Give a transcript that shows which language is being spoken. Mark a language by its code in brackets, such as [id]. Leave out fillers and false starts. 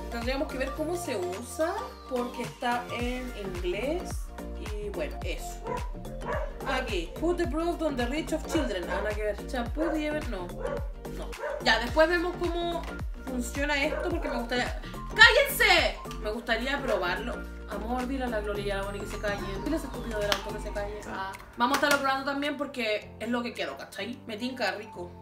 [es] Tendríamos que ver cómo se usa, porque está en inglés. Y bueno, eso. Aquí, [en] put the product on the reach of children. [es] Nada que ver. Shampoo de Ever, no. No. Ya, después vemos cómo funciona esto, porque me gustaría... ¡Cállense! Me gustaría probarlo. Amor, dile a la Gloria y a la Bonnie que se callen. Dile a ese estúpido delante que se calle. Ah. Vamos a estarlo probando también porque es lo que quiero, ¿cachai? Me tinca rico.